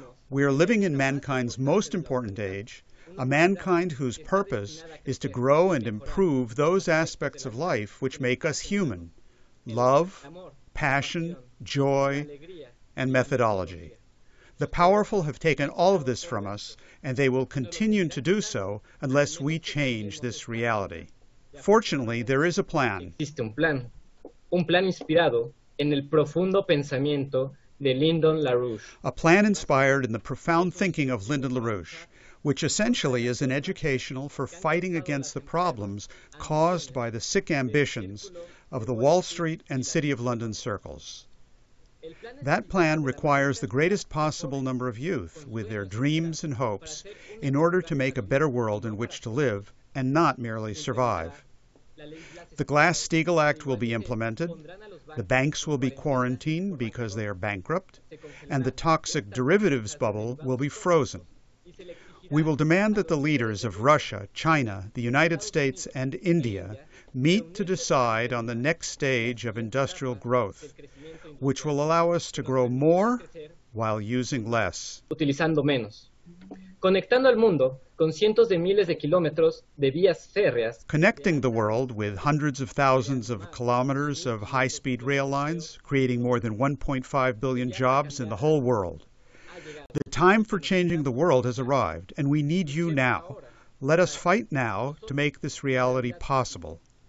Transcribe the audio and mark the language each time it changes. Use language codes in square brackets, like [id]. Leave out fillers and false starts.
[en] We are living in mankind's most important age, a mankind whose purpose is to grow and improve those aspects of life which make us human: love, passion, joy, and methodology. The powerful have taken all of this from us, and they will continue to do so unless we change this reality. Fortunately, there is a plan. [es] Existe un plan inspirado en el profundo pensamiento de Lyndon LaRouche. [en] A plan inspired in the profound thinking of Lyndon LaRouche, which essentially is an educational for fighting against the problems caused by the sick ambitions of the Wall Street and City of London circles. That plan requires the greatest possible number of youth with their dreams and hopes in order to make a better world in which to live and not merely survive. The Glass-Steagall Act will be implemented, the banks will be quarantined because they are bankrupt, and the toxic derivatives bubble will be frozen. We will demand that the leaders of Russia, China, the United States, and India meet to decide on the next stage of industrial growth, which will allow us to grow more while using less. [es] Utilizando menos. Conectando al mundo con cientos de miles de kilómetros de vías férreas. [en] Connecting the world with hundreds of thousands of kilometers of high-speed rail lines, creating more than 1.5 billion jobs in the whole world. The time for changing the world has arrived, and we need you now. Let us fight now to make this reality possible.